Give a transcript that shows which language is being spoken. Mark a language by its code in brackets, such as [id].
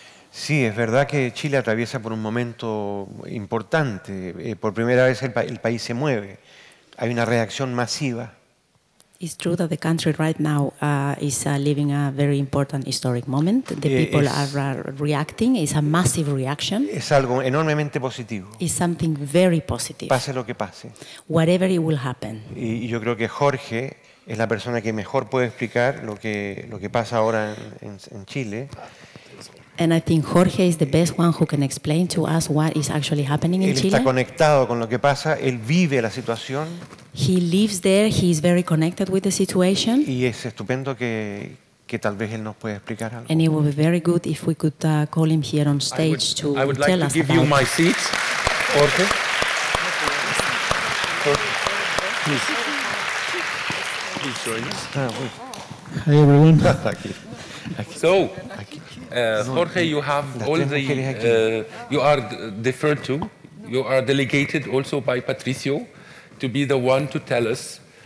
[es] Sí, es verdad que Chile atraviesa por un momento importante. Por primera vez el país se mueve. Hay una reacción masiva. [en] It's true that the country right now is living a very important historic moment. The people are reacting. It's a massive reaction. [es] Es algo enormemente positivo. [en] It's something very positive. [es] Pase lo que pase. [en] Whatever it will happen. [es] Y yo creo que Jorge es la persona que mejor puede explicar lo que pasa ahora en Chile. [en] And I think Jorge is the best one who can explain to us what is actually happening in Chile. [es] Él está conectado con lo que pasa, él vive la situación. [en] He lives there, he is very connected with the situation. [es] Y es estupendo que tal vez él nos pueda explicar algo. [en] And it would be very good if we could call him here on stage to tell us about it. I would like to give you my seat, Jorge. Jorge. Please join us. Hi, everyone. So, Jorge, you have all the, you are deferred to, you are delegated also by Patricio to be the one to tell us.